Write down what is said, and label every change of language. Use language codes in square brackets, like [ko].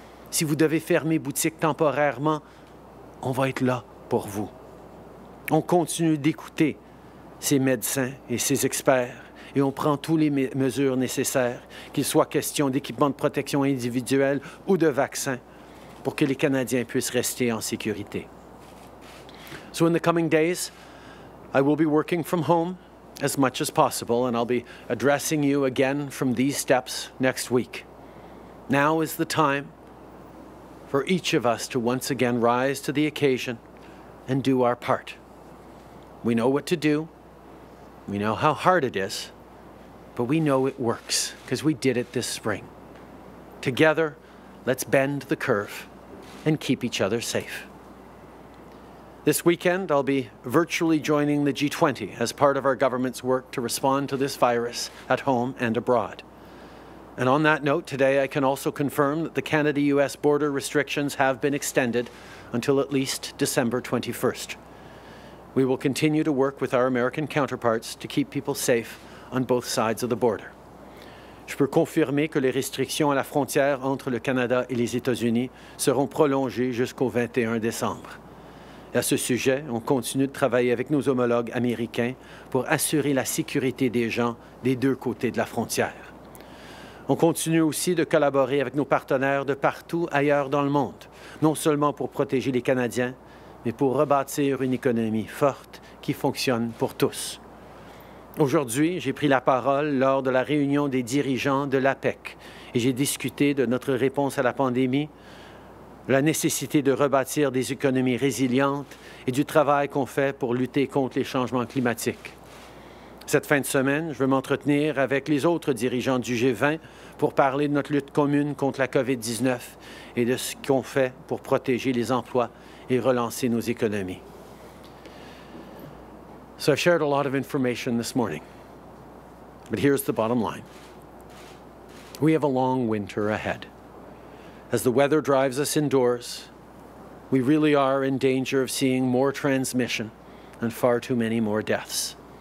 [fr] Si vous devez fermer boutique temporairement, on va être là pour vous. On continue d'écouter ces médecins et ces experts et on prend toutes les mesures nécessaires, qu'il soit question d'équipement de protection individuelle ou de vaccins, pour que les Canadiens puissent rester en sécurité. [en] So in the coming days, I will be working from home as much as possible and I'll be addressing you again from these steps next week. Now is the time for each of us to once again rise to the occasion and do our part. We know what to do, we know how hard it is, but we know it works because we did it this spring. Together, let's bend the curve and keep each other safe. This weekend, I'll be virtually joining the G20 as part of our government's work to respond to this virus at home and abroad. And on that note, today I can also confirm that the Canada-US border restrictions have been extended until at least December 21st. We will continue to work with our American counterparts to keep people safe on both sides of the border. [fr] Je peux confirmer que les restrictions à la frontière entre le Canada et les États-Unis seront prolongées jusqu'au 21 décembre. Et à ce sujet, on continue de travailler avec nos homologues américains pour assurer la sécurité des gens des deux côtés de la frontière. On continue aussi de collaborer avec nos partenaires de partout ailleurs dans le monde, non seulement pour protéger les Canadiens, mais pour rebâtir une économie forte qui fonctionne pour tous. Aujourd'hui, j'ai pris la parole lors de la réunion des dirigeants de l'APEC et j'ai discuté de notre réponse à la pandémie, la nécessité de rebâtir des économies résilientes et du travail qu'on fait pour lutter contre les changements climatiques. Cette fin de semaine, je vais m'entretenir avec les autres dirigeants du G20 pour parler de notre lutte commune contre la COVID-19 et de ce qu'on fait pour protéger les emplois et relancer nos économies. [en] So I've shared a lot of information this morning, but here's the bottom line. We have a long winter ahead. As the weather drives us indoors, we really are in danger of seeing more transmission and far too many more deaths.